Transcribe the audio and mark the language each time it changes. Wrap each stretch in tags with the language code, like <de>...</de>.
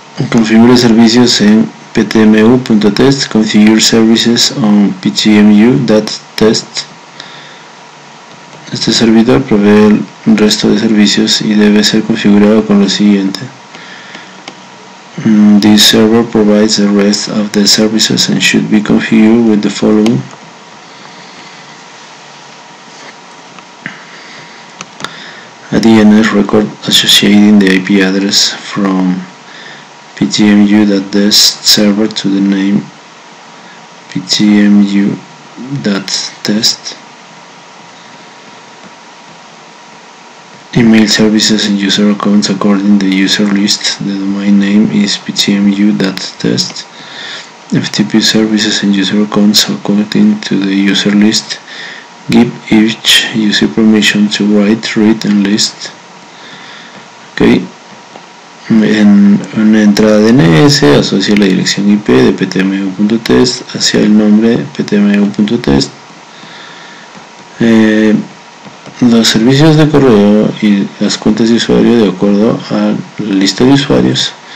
<es>Configure servicios en ptmu.test,</es> <en>configure services on pgmu.test.</en> <es>Este servidor provee el resto de servicios y debe ser configurado con lo siguiente.</es> <en>This server provides the rest of the services and should be configured with the following. A DNS record associating the IP address from ptmu.test server to the name ptmu.test. Email services and user accounts according to the user list. The domain name is ptmu.test. FTP services and user accounts according to the user list. Give each user permission to write, read, and list. Okay.</en> <es>En una entrada DNS, asocia la dirección IP de ptmu.test hacia el nombre ptmu.test. Los servicios de correo y las cuentas de usuario de acuerdo a la lista de usuarios.</es>